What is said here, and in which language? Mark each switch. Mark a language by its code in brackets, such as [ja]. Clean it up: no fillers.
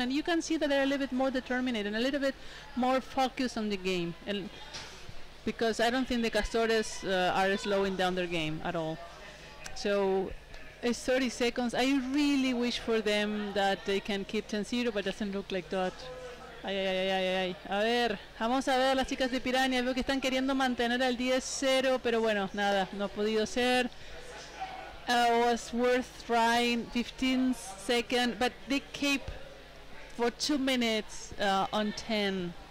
[en] And you can see that they're a little bit more determined and a little bit more focused on the game. And because I don't think the Castores are slowing down their game at all. So it's 30 seconds. I really wish for them that they can keep 10-0, but it doesn't look like that. Ay. [es] A ver, vamos a ver las chicas de Pirañas. Veo que están queriendo mantener el 10-0, pero bueno, nada, no ha podido ser. [en] Was worth trying 15 seconds, but they keep for 2 minutes on 10.